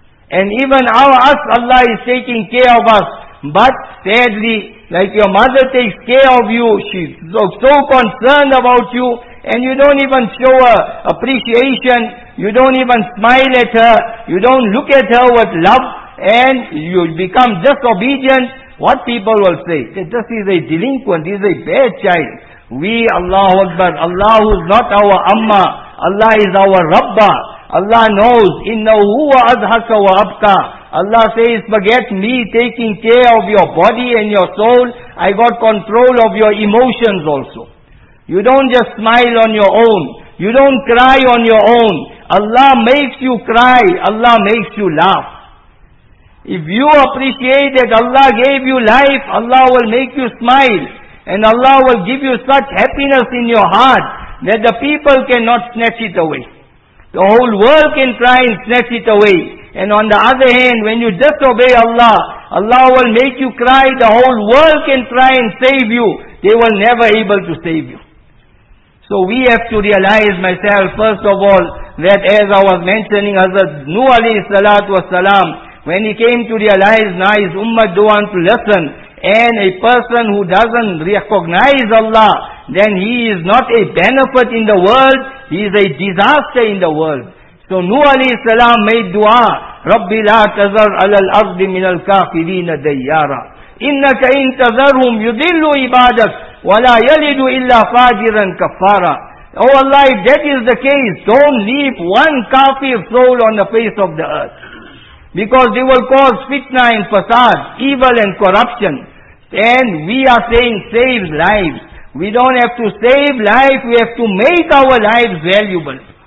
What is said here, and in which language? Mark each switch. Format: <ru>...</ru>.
<en>And even us, Allah is taking care of us. But sadly, like your mother takes care of you, she's so concerned about you, and you don't even show her appreciation, you don't even smile at her, you don't look at her with love, and you become disobedient. What people will say? This is a delinquent, this is a bad child. We, Allahu Akbar, Allah is not our Amma, Allah is our Rabbah. Allah knows,</en> <ar>إِنَّهُ وَأَذْحَكَ وَأَبْكَى.</ar> <en>Allah says, forget me taking care of your body and your soul, I got control of your emotions also. You don't just smile on your own, you don't cry on your own. Allah makes you cry, Allah makes you laugh. If you appreciate that Allah gave you life, Allah will make you smile. And Allah will give you such happiness in your heart that the people cannot snatch it away. The whole world can try and snatch it away. And on the other hand, when you disobey Allah, Allah will make you cry. The whole world can try and save you. They will never be able to save you. So we have to realize, myself, first of all, that as I was mentioning, Hazrat Nuh alayhi salatu wasalam, when he came to realize, now his ummah do want to listen. And a person who doesn't recognize Allah, then he is not a benefit in the world, he is a disaster in the world.</en> <ar>So Nuh alayhi salam made dua, رَبِّ لَا تَذَرْ عَلَى الْأَرْضِ مِنَ الْكَافِرِينَ دَيَّارًا إِنَّكَ إِن تَذَرْهُمْ يُذِلُّ عِبَادَكَ وَلَا يَلِدُ إِلَّا فَاجِرًا كَفَّارًا.</ar> <en>Oh Allah, if that is the case, don't leave one kafir soul on the face of the earth. Because they will cause fitna and fasad, evil and corruption. And we are saying save lives. We don't have to save life, we have to make our lives valuable.</en>